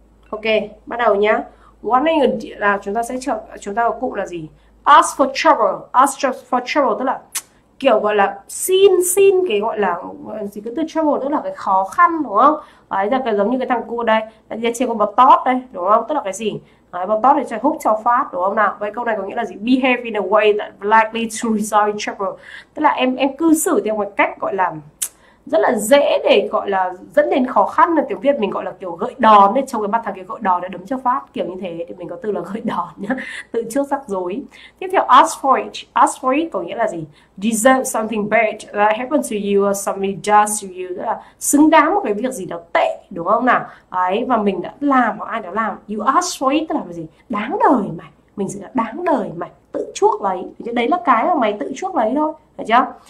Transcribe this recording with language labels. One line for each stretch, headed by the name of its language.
Vietnamese: Ok, bắt đầu nhá. Wanting là chúng ta sẽ chúng ta có cụm là gì? Ask for trouble, ask for trouble tức là kiểu gọi là xin xin cái gọi là gì, cái từ trouble tức là cái khó khăn đúng không? Đấy là cái giống như cái thằng cô đây, đây trên con bọt tót đây đúng không? Tức là cái gì? Đấy, bọt tót thì sẽ hút cho phát đúng không nào? Vậy câu này có nghĩa là gì?
English: Behave in a way that likely to result in trouble.
Vietnamese: Tức là em cư xử theo một cách gọi là rất là dễ để gọi là dẫn đến khó khăn, là tiếng Việt mình gọi là kiểu gợi đòn đấy, trong cái mặt thằng kia gợi đòn để đấm cho phát kiểu như thế, thì mình có từ là gợi đòn nhá, tự trước rắc rối. Tiếp theo ask for it có nghĩa là gì,
English: deserve something bad that happened to you
Vietnamese: or somebody does to you, tức là xứng đáng một cái việc gì đó tệ đúng không nào, ấy và mình đã làm hoặc ai đó làm, you ask for it tức là cái gì, đáng đời mày, mình sẽ là đáng đời mày tự chuốc lấy, thì đấy là cái mà mày tự chuốc lấy thôi, phải chưa?